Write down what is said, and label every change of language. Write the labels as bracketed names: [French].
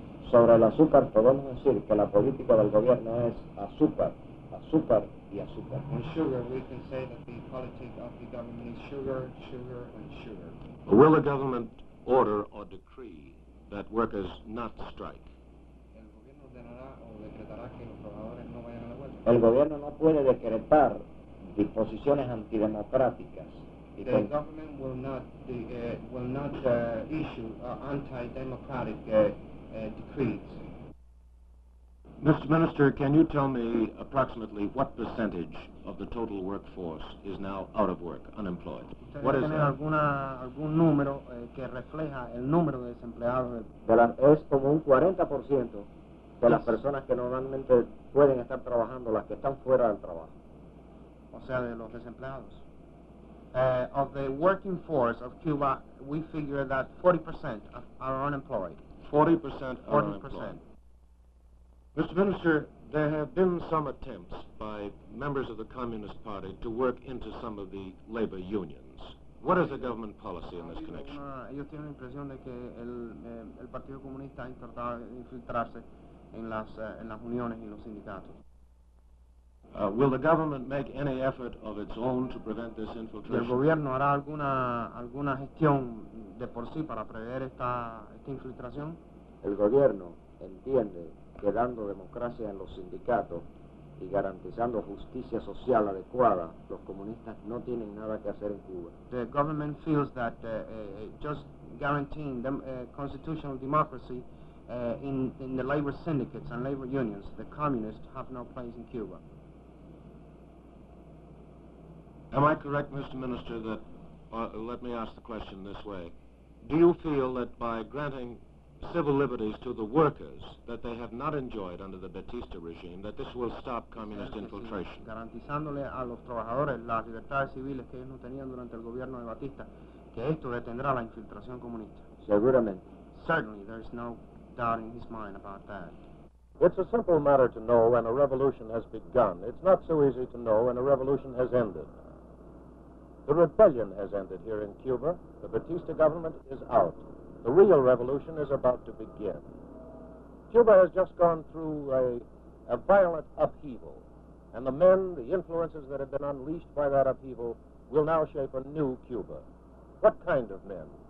[Spanish] Sobre el azúcar podemos decir que la política del gobierno es azúcar, azúcar y azúcar. [English] On sugar, we can say that the politics of the government is sugar, sugar and sugar. Will the government order or decree that workers not strike? [Spanish] El gobierno no puede decretar disposiciones antidemocráticas. [English] The government will not issue anti-democratic decrees. Mr. Minister, can you tell me approximately what percentage of the total workforce is now out of work, unemployed? What is that? [Spanish] Algún número que refleja el número de desempleados. Es como un 40% de las personas que normalmente pueden estar trabajando, las que están fuera del trabajo. O sea, de los desempleados. [English] Of the working force of Cuba, we figure that 40% are unemployed. 40% are unemployed. Mr. Minister, there have been some attempts by members of the Communist Party to work into some of the labor unions. What is the government policy in this connection? [Spanish] Ellos tienen la impresión de que el Partido Comunista ha intentado infiltrarse en las uniones y los sindicatos. [English] Will the government make any effort of its own to prevent this infiltration? [Spanish] ¿El gobierno hará alguna gestión de por sí para prever esta infiltración? El gobierno entiende que dando democracia en los sindicatos y garantizando justicia social adecuada, los comunistas no tienen nada que hacer en Cuba. [English] The government feels that just guaranteeing constitutional democracy in the labor syndicates and labor unions, the communists have no place in Cuba. Am I correct, Mr. Minister, that, let me ask the question this way. Do you feel that by granting civil liberties to the workers that they have not enjoyed under the Batista regime, that this will stop communist infiltration? [Spanish] Garantizándole a los trabajadores las libertades civiles que ellos no tenían durante el gobierno de Batista, que esto detendrá la infiltración comunista. Seguramente. [English] Certainly, there is no doubt in his mind about that. It's a simple matter to know when a revolution has begun. It's not so easy to know when a revolution has ended. The rebellion has ended here in Cuba. The Batista government is out. The real revolution is about to begin. Cuba has just gone through a violent upheaval, and the men, the influences that have been unleashed by that upheaval, will now shape a new Cuba. What kind of men?